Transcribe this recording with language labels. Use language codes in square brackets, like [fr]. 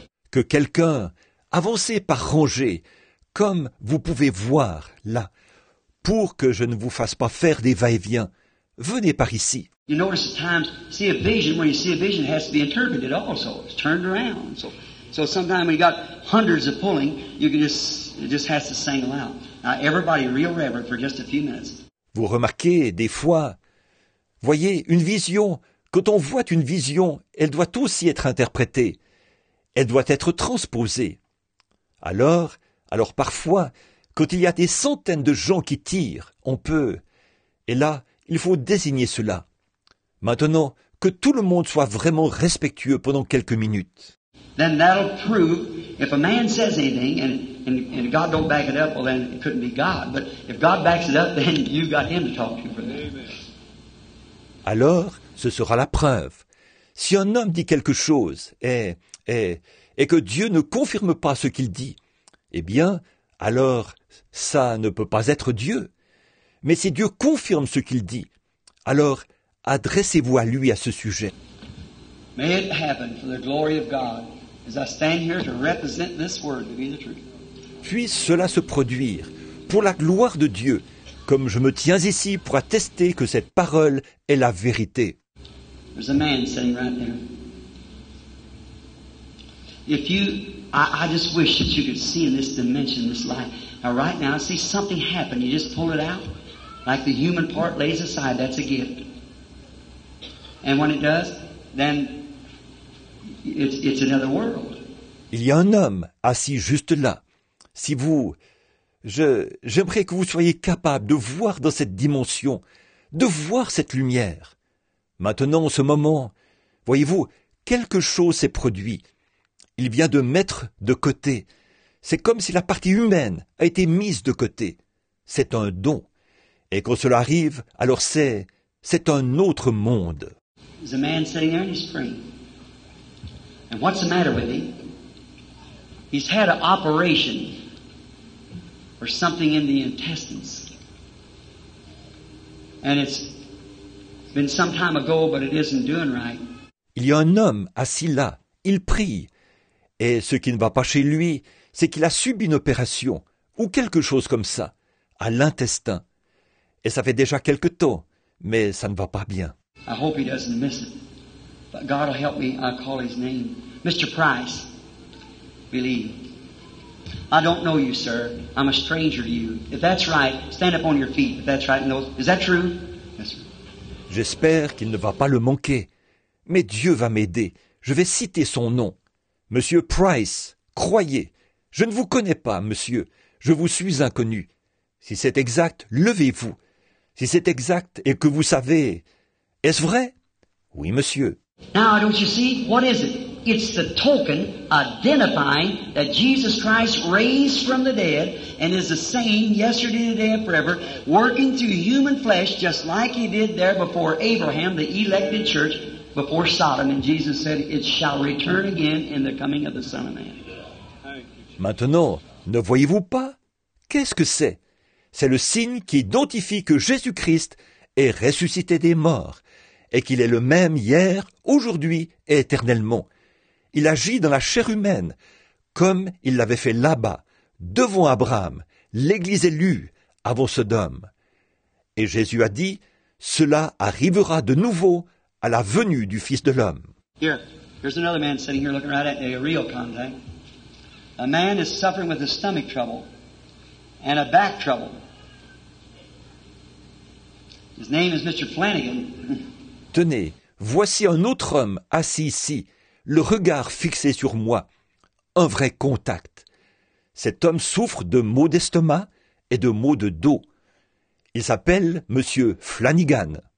[fr] Que quelqu'un avance par rangée, comme vous pouvez voir là, pour que je ne vous fasse pas faire des va-et-vient. Venez par ici. [en] You notice at times, see a vision, when you see a vision, it has to be interpreted also. It's turned around. So sometimes when you got hundreds of pulling, you can just, it just has to single out. Now everybody real reverent for just a few minutes. [fr] Vous remarquez des fois, voyez, une vision, quand on voit une vision, elle doit aussi être interprétée. Elle doit être transposée. Alors parfois, quand il y a des centaines de gens qui tirent, on peut. Et là, il faut désigner cela. Maintenant, que tout le monde soit vraiment respectueux pendant quelques minutes. [en] Then that'll prove if a man says anything and God don't back it up, well then it couldn't be God. But if God backs it up, then you've got him to talk to for that. [fr] Alors, ce sera la preuve. Si un homme dit quelque chose et que Dieu ne confirme pas ce qu'il dit, eh bien, alors ça ne peut pas être Dieu. Mais si Dieu confirme ce qu'il dit, alors adressez-vous à lui à ce sujet. [en] May it happen for the glory of God as I stand here to represent this word to be the truth. [fr] Puisse cela se produire pour la gloire de Dieu, comme je me tiens ici pour attester que cette parole est la vérité. [en] There's a man sitting right there. If you, I just wish that you could see in this dimension, this life. Now right now, see something happen. You just pull it out. Like the human part lays aside, that's a gift. And when it does, then it's another world. [fr] Il y a un homme assis juste là. Si vous, j'aimerais que vous soyez capable de voir dans cette dimension, de voir cette lumière. Maintenant, en ce moment, voyez-vous, quelque chose s'est produit. Il vient de mettre de côté. C'est comme si la partie humaine a été mise de côté. C'est un don. Et quand cela arrive, alors c'est un autre monde. [en] There's a man sitting there and he's free. And what's the matter with him? He's had an operation or something in the intestines. And it's been some time ago, but it isn't doing right. [fr] Il y a un homme assis là, il prie. Et ce qui ne va pas chez lui, c'est qu'il a subi une opération ou quelque chose comme ça à l'intestin. Et ça fait déjà quelque temps, mais ça ne va pas bien. [en] I hope he doesn't miss it. But God will help me. I'll call his name. Mr. Price, believe. I don't know you, sir. I'm a stranger to you. If that's right, stand up on your feet. If that's right, no. Is that true? Yes, sir. [fr] J'espère qu'il ne va pas le manquer. Mais Dieu va m'aider. Je vais citer son nom. Monsieur Price, croyez. Je ne vous connais pas, monsieur. Je vous suis inconnu. Si c'est exact, levez-vous. Si c'est exact et que vous savez... Est-ce vrai? Oui, monsieur. [en] Now, don't you see? What is it? It's the token identifying that Jesus Christ raised from the dead and is the same yesterday, today, and forever, working through human flesh just like he did there before Abraham, the elected church, before Sodom. And Jesus said, it shall return again in the coming of the Son of Man. [fr] Maintenant, ne voyez-vous pas? Qu'est-ce que c'est? C'est le signe qui identifie que Jésus-Christ est ressuscité des morts. Et qu'il est le même hier, aujourd'hui et éternellement. Il agit dans la chair humaine, comme il l'avait fait là-bas, devant Abraham, l'Église élue, avant Sodome. Et Jésus a dit, cela arrivera de nouveau à la venue du Fils de l'homme. [en] Here, here's another man sitting here looking right at me, a real contact. A man is suffering with a stomach trouble and a back trouble. His name is Mr. Flanagan. [fr] Tenez, voici un autre homme assis ici, le regard fixé sur moi. Un vrai contact. Cet homme souffre de maux d'estomac et de maux de dos. Il s'appelle Monsieur Flanagan.